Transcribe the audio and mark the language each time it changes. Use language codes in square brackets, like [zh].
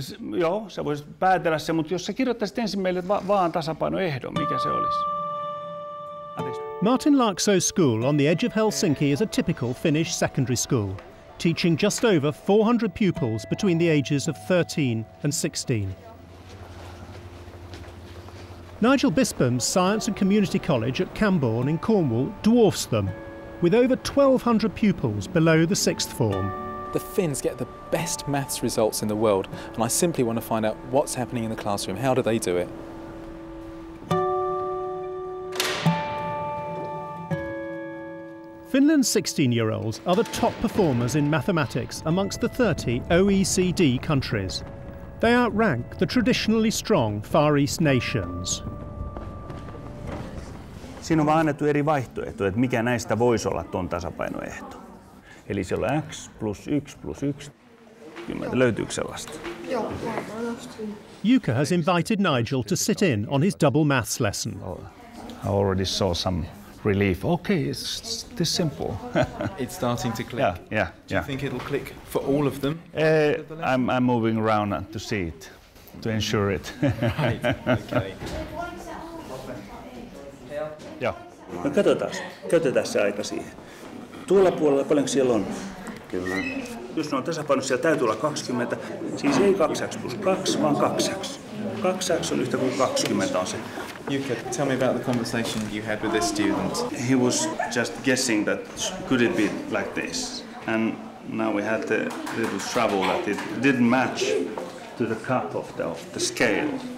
[fi] Joo, sä voisit päätellä se, mutta jos sä kirjoittaisit ensin meille vaan tasapainoehdon, mikä se olisi? [en] Martin Larkso's school on the edge of Helsinki is a typical Finnish secondary school, teaching just over 400 pupils between the ages of 13 and 16. Nigel Bispham's Science and Community College at Camborne in Cornwall dwarfs them, with over 1,200 pupils below the sixth form. The Finns get the best maths results in the world, and I simply want to find out what's happening in the classroom. How do they do it? Finland's 16-year-olds are the top performers in mathematics amongst the 30 OECD countries. They outrank the traditionally strong Far East nations. [fi] Siinä on vaan annettu eri vaihtoehto, että mikä näistä voisi olla tuon tasapainoehto. Eli siellä on x plus 1 plus 1. Kymmentä. Löytyykö sellaista? Joo, varmasti. [en] Jukka has invited Nigel to sit in on his double maths lesson. I already saw some relief. Okay, it's this simple. It's starting to click. Yeah, yeah. Do you think it'll click for all of them? I'm moving around to see it, to ensure it. Right, okay. Yeah. [fi] No, katsotaan se aika siihen. Tuolla puolella paljonko siellä on? Kyllä. Jos ne on tasapainossa, siellä täytyy olla 20. Siis ei 2x plus 2, vaan 2x. 2x on yhtä kuin 20 on se. [en] Jukka, tell me about the conversation you had with this student. He was just guessing that could it be like this. And now we had a little trouble that it didn't match to the cut of the scale.